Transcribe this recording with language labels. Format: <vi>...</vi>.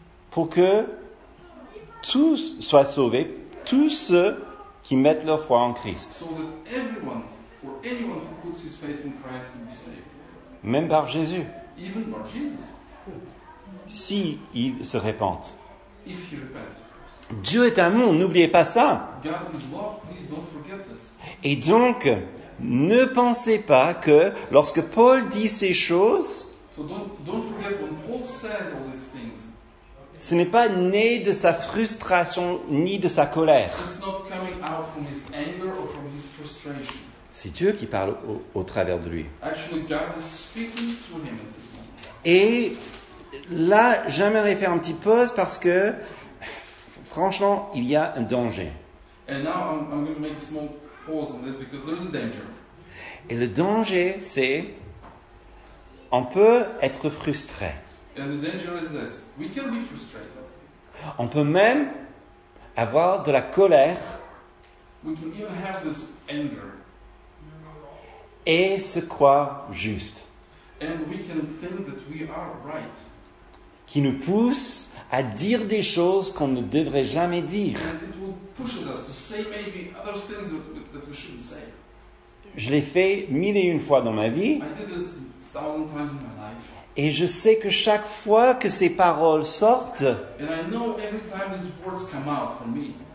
<fr>Pour que tous soient sauvés, tous ceux qui mettent leur foi en Christ.</fr> <en>So that everyone, or anyone who puts his faith in Christ will be saved.</en> <fr>Même par Jésus.</fr> <en>Even by Jesus.</en> <fr>Si il se répandent.</fr> <en>If he repents.</en> <fr>Dieu est amour, n'oubliez pas ça.</fr> <en>God is love, please don't forget this.</en> <fr>Et donc, ne pensez pas que lorsque Paul dit ces choses,</fr> <en>so don't forget when Paul says all these things.</en> <fr>Ce n'est pas né de sa frustration ni de sa colère.</fr> <en>It's not coming out from his anger or from his frustration.</en> <fr>C'est Dieu qui parle au travers de lui.</fr> <en>Actually, God is speaking through him at this moment.</en> <fr>Et là, j'aimerais faire une petite pause parce que, franchement, il y a un danger.</fr> <en>And now I'm going to make a small pause on this because there's a danger.</en> <fr>Et le danger, c'est on peut être frustré.</fr> <en>And the danger is this. We can be frustrated.</en> <fr>On peut même avoir de la colère.</fr> <en>We can even have this anger.</en> <fr>Et se croire juste.</fr> <en>And we can think that we are right.</en> <fr>Qui nous pousse à dire des choses qu'on ne devrait jamais dire.</fr> <en>And it will push us to say maybe other things that we shouldn't say.</en> <fr>Je l'ai fait mille et une fois dans ma vie.</fr> <en>I did this thousand times in my life.</en> <fr>Et je sais que chaque fois que ces paroles sortent,</fr> <en>and I know every time these words come out from me,</en>